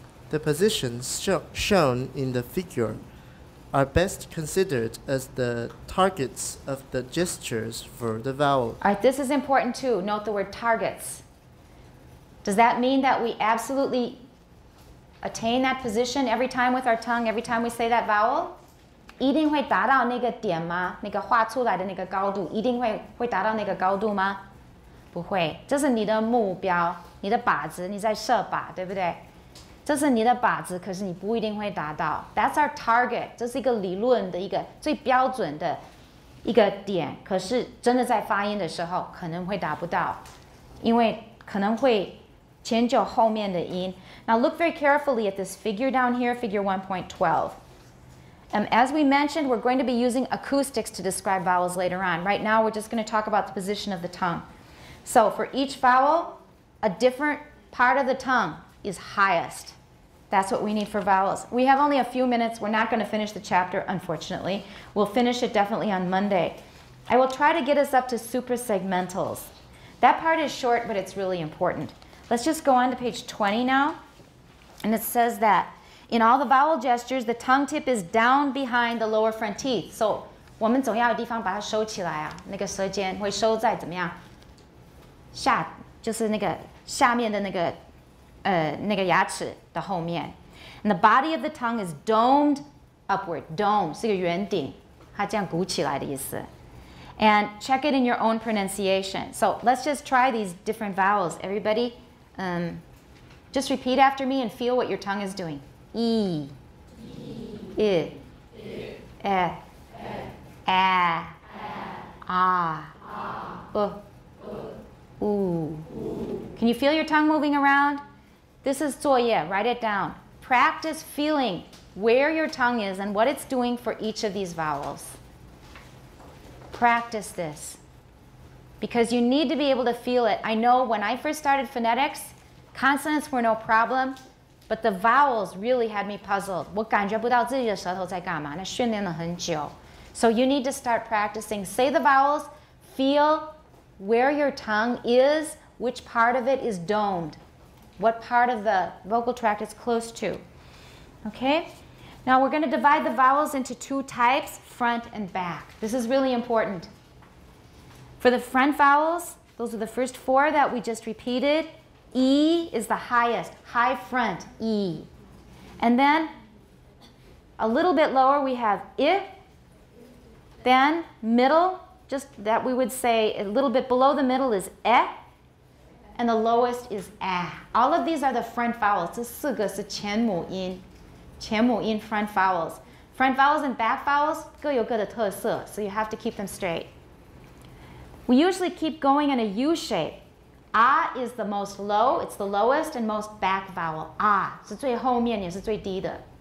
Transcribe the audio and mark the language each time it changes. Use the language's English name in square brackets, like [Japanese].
[English] The positions shown in the figure are best considered as the targets of the gestures for the vowel. All right, this is important too. Note the word targets. Does that mean that we absolutely attain that position every time with our tongue, every time we say that vowel? [Chinese] 一定会达到那个点吗? 那个画出来的那个高度, 一定会达到那个高度吗?不会. 这是你的目标, 你的靶子, 你在设靶, 对不对? 这是你的靶子, 可是你不一定会达到。 [English] That's our target. [Chinese] 这是一个理论的一个最标准的一个点, 可是真的在发音的时候, 可能会达不到, 因为可能会前久后面的音。 [English] Now look very carefully at this figure down here, figure 1.12. As we mentioned, we're going to be using acoustics to describe vowels later on. Right now, we're just going to talk about the position of the tongue. So for each vowel, a different part of the tongue is highest. That's what we need for vowels. We have only a few minutes. We're not going to finish the chapter, unfortunately. We'll finish it definitely on Monday. I will try to get us up to suprasegmentals. That part is short, but it's really important. Let's just go on to page 20 now. And it says that in all the vowel gestures, the tongue tip is down behind the lower front teeth. [Chinese] So, 我们重要的地方把它收起来啊，那个舌尖会收在怎么样？下，就是那个下面的那个。那个牙齿的后面 [English] and the body of the tongue is domed upward. [Chinese] Dome 是个圆顶, 它这样鼓起来的意思. [English] And check it in your own pronunciation. So let's just try these different vowels. Everybody, just repeat after me and feel what your tongue is doing. E, e, I, I, e, e, a, a, a, a, u, u, u. Can you feel your tongue moving around? This is [Chinese] 作业, [English] write it down. Practice feeling where your tongue is and what it's doing for each of these vowels. Practice this because you need to be able to feel it. I know when I first started phonetics, consonants were no problem, but the vowels really had me puzzled. [Chinese] 我感觉不到自己的舌头在干嘛, 那训练了很久. [English] So you need to start practicing. Say the vowels, feel where your tongue is, which part of it is domed. What part of the vocal tract it's close to. Okay? Now we're going to divide the vowels into two types, front and back. This is really important. For the front vowels, those are the first four that we just repeated. E is the highest, high front, E. And then a little bit lower we have I. Then middle, just that we would say a little bit below the middle is E. And the lowest is a. All of these are the front vowels. [Chinese] 这四个是前母音, 前母音 [English] front vowels. Front vowels and back vowels [Chinese] 各有各的特色, [English] so you have to keep them straight. We usually keep going in a U shape. A is the most low, it's the lowest and most back vowel. [Chinese] A, 是最后面也是最低的.